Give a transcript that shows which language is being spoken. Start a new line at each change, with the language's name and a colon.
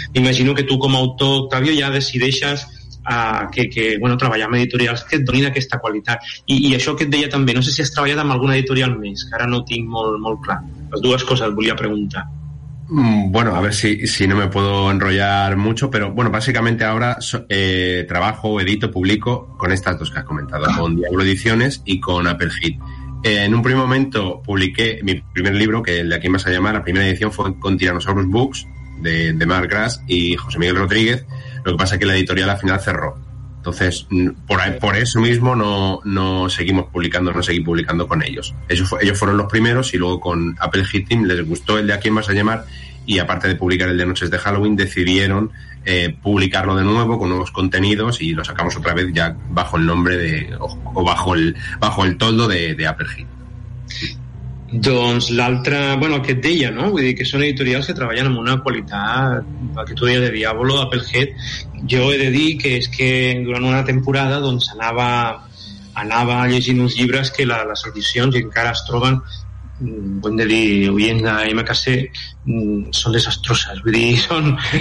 Catalan: Imagino que tu com a autor, Octavio, ja decideixes que treballar amb editorials que et donin aquesta qualitat. I això que et deia també, no sé si has treballat amb alguna editorial més, que ara no tinc molt, molt clar. Les dues coses et volia preguntar.
Spanish: Bueno, a ver si no me puedo enrollar mucho, pero bueno, básicamente ahora trabajo, edito, publico con estas dos que has comentado, con Diablo Ediciones y con Applehead. En un primer momento publiqué mi primer libro, que el de aquí más allá, la primera edición fue con Tyrannosaurus Books, de Mark Grass y José Miguel Rodríguez. Lo que pasa es que la editorial al final cerró. Entonces, por eso mismo no seguí publicando con ellos. Ellos fueron los primeros y luego con Applehead Team les gustó el de A Quién Vas a Llamar y aparte de publicar el de Noches de Halloween decidieron publicarlo de nuevo con nuevos contenidos y lo sacamos otra vez ya bajo el nombre de o bajo el toldo de Applehead.
Catalan: Doncs l'altre, bueno, el que et deia, no? Vull dir que són editorials que treballen amb una qualitat, el que tu deies de Diàbolo, d'Applehead. Jo he de dir que és que durant una temporada doncs anava llegint uns llibres que les edicions, i encara es troben, ho hem de dir, oient de MKC, són desastroses. Vull dir, són...